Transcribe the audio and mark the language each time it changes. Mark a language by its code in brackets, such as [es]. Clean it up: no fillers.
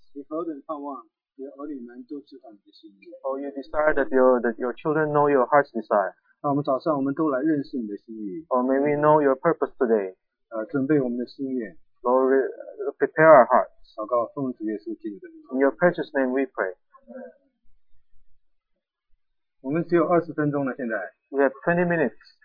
[zh] 你何等盼望你的儿女们都知道你的心意。 [en] Oh, you desire that your children know your heart's desire. [zh] 那我们早上我们都来认识你的心意。 [en] Oh, may we know your purpose today. [zh] 准备我们的心愿。 [en] Lord, prepare our hearts. [zh] 祷告奉主耶稣基督的名。 [en] In your precious name we pray. [zh] 我们只有二十分钟了，现在。 [en] We have 20 minutes.